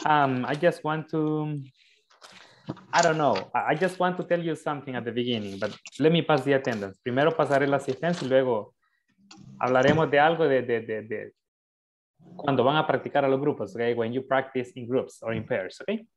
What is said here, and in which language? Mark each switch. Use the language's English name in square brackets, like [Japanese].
[English] I just want to, I don't know, I just want to tell you something at the beginning, but let me pass the attendance. [Spanish] Primero pasaré la asistencia y luego hablaremos de algo de cuando van a practicar a los grupos, okay? [English] When you practice in groups or in pairs, okay?